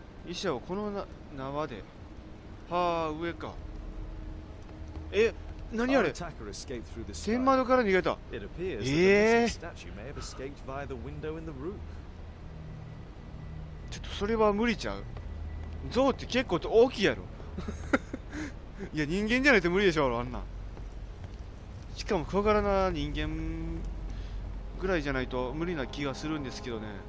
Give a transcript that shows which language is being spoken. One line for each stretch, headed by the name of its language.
Japanese: 医者はこの縄で、はあ、上か。え、何あれ？天窓から逃げた。ええ。
English: It appears that the missing statue may have escaped via the window in the roof.
Japanese: ちょっとそれは無理ちゃう。象って結構大きいやろ。いや、人間じゃないと無理でしょ、あんな。しかも小柄な人間ぐらいじゃないと無理な気がするんですけどね。